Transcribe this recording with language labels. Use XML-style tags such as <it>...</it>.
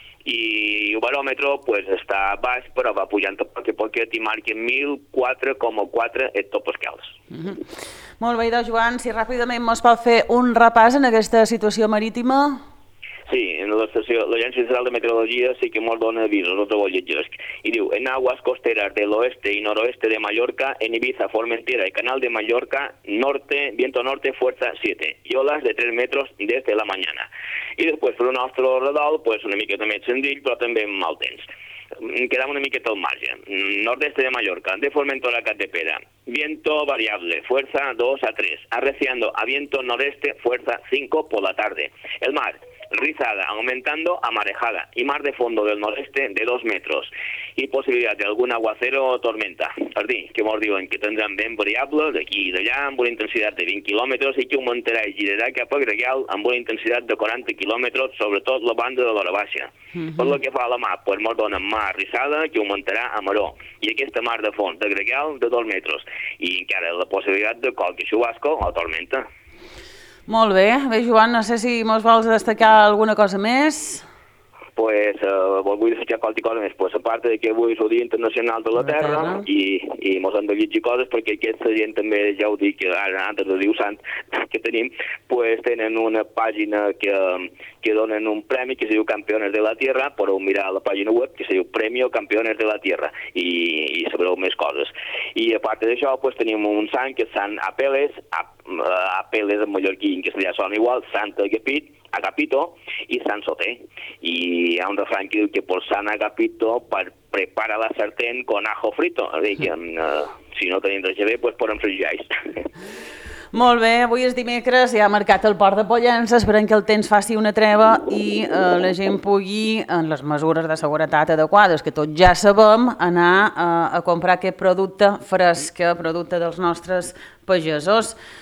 <ca>I el baròmetre pues, està baix, però va pujant a poc a poc i marca 1.004,4 hectopascals. Mm-hmm. Molt bé, doncs, Joan, si ràpidament mos pot fer un repàs en aquesta situació marítima. Sí, en l'estació, l'Agència Central de Meteorologia sí que mos dona avisos, no trobo lletges. I diu,</ca> <es>en aguas costeras de l'oeste i noroeste de Mallorca, en Ibiza, Formentera i Canal de Mallorca, norte, viento norte, fuerza 7, i olas de 3 metros des de la mañana.</es> <ca>I després, per un altre redol, pues, una miqueta més senzill, però també mal temps. Quedam una miqueta al marge.</ca> <es>Nordeste de Mallorca,</es> <ca>de Formentera a Capdepera.</ca> <es>Viento variable, fuerza 2 a 3. Arreciando a viento noreste, fuerza 5 por la tarde. El mar, rizada, aumentando a marejada. Y mar de fondo del noreste de 2 metros. Y posibilidad de algún aguacero o tormenta.</es> <ca>Es dir, que mos diuen que tendran vent variable d'aquí i d'allà amb una intensitat de 20 km i que augmentarà i girarà cap a Gregal amb una intensitat de 40 km, sobretot la banda de l'hora baixa. Uh-huh. Per el que fa a la mar, pues, mos donen mar rizada que augmentarà a maró. I aquesta mar de fons de Gregal de 2 metros. I encara la possibilitat de qualque xubasco o tormenta. Molt bé. Bé, Joan, no sé si mos vols destacar alguna cosa més. Pues, vull destacar qualque cosa més. Pues, a part de que avui és el Dia Internacional de la Terra, i mos han de llegir coses, perquè aquesta gent també, ja ho dic, ara, antes de Diu Sant, que tenim, pues, tenen una pàgina que donen un premi que se diu Campeones de la Tierra, podeu mirar la pàgina web que se diu Premio Campeones de la Tierra, i sabreu més coses. I a part d'això, pues, tenim un sant que és Sant Apeles, Apeles en mallorquí, que ja sona igual, Sant Agapit, Agapito i Sant Soter. I hi ha un refrany que diu que</ca> <es>por Sant Agapito prepara la sartén con ajo frito.</es> <ca>És a dir, que si no tenim res a bé, pues podem fregir. Molt bé, avui és dimecres, ja ha marcat el port de Pollença, esperem que el temps faci una treva i la gent pugui, en les mesures de seguretat adequades, que tots ja sabem, anar a comprar aquest producte fresc, producte dels nostres pagesos.</ca>